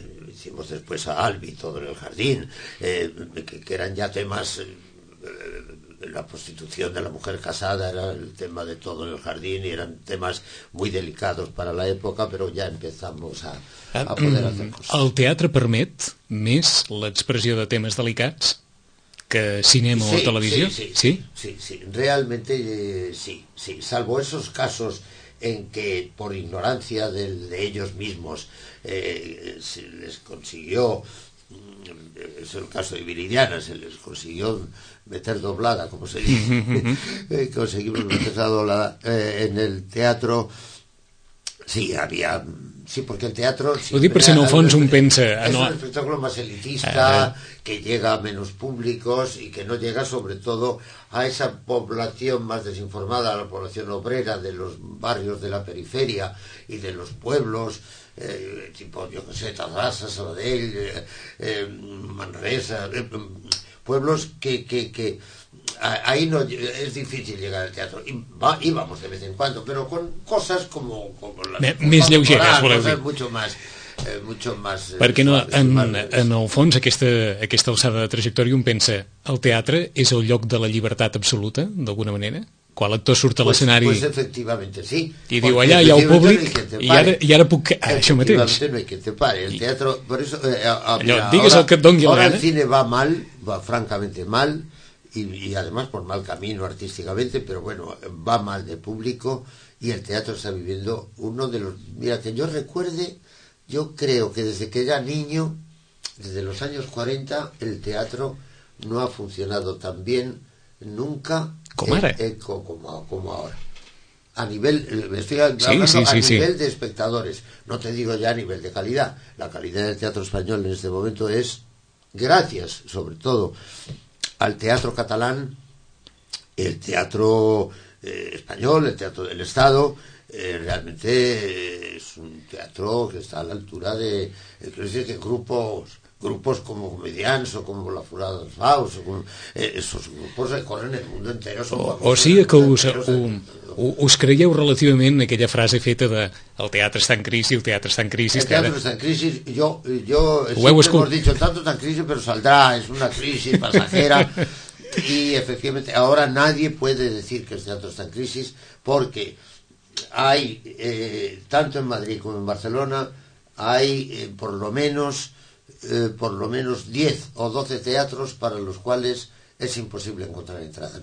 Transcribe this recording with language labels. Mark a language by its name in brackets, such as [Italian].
[Spanish] Hicimos después a Albi, todo en el jardín, que eran ya temas, la prostitución de la mujer casada era el tema de todo en el jardín y eran temas muy delicados para la época, pero ya empezamos a poder hacer cosas. [Catalan] El teatre permet més l'expressió de temes delicats que cinema, sí, o televisió? [Spanish] Sí, realment, salvo esos casos en que por ignorancia de ellos mismos se les consiguió, es el caso de Viridiana, se les consiguió meter doblada, como se dice, conseguimos meter doblada en el teatro, [Catalan] Sí, havia... Sí, perquè el teatre... Ho dic per si en el fons un pensa... És un espectacle més elitista, que llega a menys públics i que no llega, sobretot, a esa població més desinformada, a la població obrera de [Spanish] los barrios de la periferia [Catalan] i [Spanish] de los pueblos, [Catalan] tipo, jo què sé, Terrassa, Sabadell, Manresa... [Spanish] pueblos que ahí no es difícil llegar al teatro y va, íbamos de vez en cuando, pero con cosas como las [Catalan] más lleugeres, voleu dir. [Spanish] mucho más [Catalan] perquè no en el fons aquesta alçada de trajectòria un pensa, el teatre és el lloc de la llibertat absoluta d'alguna manera? Quan l'actor surt a l'escenari [Spanish] pues efectivamente sí. [Catalan] I diu allà hi ha el públic i ara puc això mateix. [Spanish] No hay que te pare. El teatro, por eso, [Catalan] allò, mira, digues ahora, el que et doni la gana. [Spanish] El cine va mal, va francamente mal y además por mal camino artísticamente, pero bueno, va mal de público y el teatro está viviendo uno de los... Mira, que yo recuerde, yo creo que desde que era niño, desde los años 40, el teatro no ha funcionado tan bien nunca... ¿Cómo era? Como ahora. A nivel, estoy hablando, nivel de espectadores, no te digo ya a nivel de calidad. La calidad del teatro español en este momento es gracias, sobre todo, al teatro catalán, el teatro español, el teatro del Estado. Realmente es un teatro que está a la altura de... Quiero decir que grupos como Comedians o como La Furada dels Baus, esos grupos recorren el mundo entero. [Catalan] O sigui que us creieu relativament aquella frase feta de el teatre està en crisi, el teatre està en crisi. El teatre està en crisi, jo [Spanish] sempre hemos dicho, tanto está en crisi, pero saldrá, es una crisi pasajera. Y efectivamente, ahora nadie puede decir que el teatre está en crisi, porque hay, tanto en Madrid como en Barcelona, hay por lo menos 10 o 12 teatros para los cuales es imposible encontrar entradas.